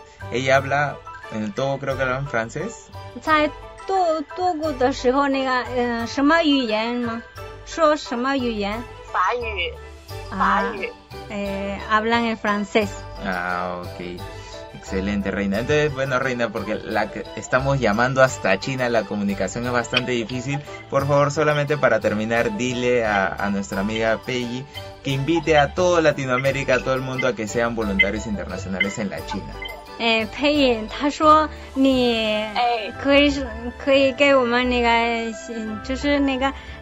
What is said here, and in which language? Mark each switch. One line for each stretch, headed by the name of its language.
Spanish: Ella habla en Togo, creo que habla en francés.
Chinese: 在Togo的时候，那个什么语言吗？说什么语言？法语、
Spanish: hablan el francés. Ah, ok. Excelente, Reina. Entonces, bueno, Reina, porque la que estamos llamando hasta China, la comunicación es bastante difícil. Por favor, solamente para terminar, dile a nuestra amiga Peggy que invite a toda Latinoamérica, a todo el mundo, a que sean voluntarios internacionales en la China.
Chinese: Peggy, 他说你可以给我们那个就是那个